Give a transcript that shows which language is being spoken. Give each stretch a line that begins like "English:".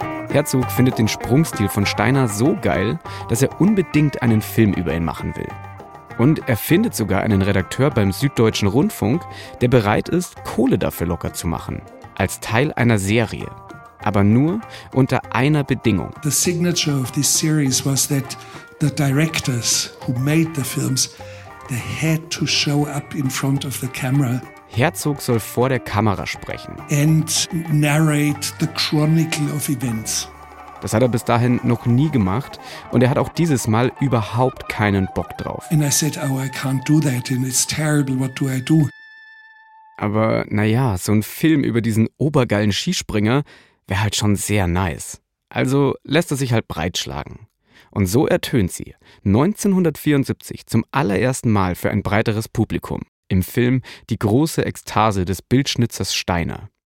German: Herzog findet den Sprungstil von Steiner so geil, dass er unbedingt einen Film über ihn machen will. Und er findet sogar einen Redakteur beim Süddeutschen Rundfunk, der bereit ist, Kohle dafür locker zu machen, als Teil einer Serie. Aber nur unter einer Bedingung.
English: The signature of this series was that the directors who made the films, they had to show up in front of the camera.
German: Herzog soll vor der Kamera sprechen.
English: And narrate the chronicle of events.
German: Das hat er bis dahin noch nie gemacht und er hat auch dieses Mal überhaupt keinen Bock drauf.
English: And I said, oh, I can't do that and it's terrible, what do I do?
German: Aber naja, so ein Film über diesen obergeilen Skispringer wäre halt schon sehr nice. Also lässt er sich halt breitschlagen. Und so ertönt sie 1974 zum allerersten Mal für ein breiteres Publikum. Im Film Die große Ekstase des Bildschnitzers Steiner.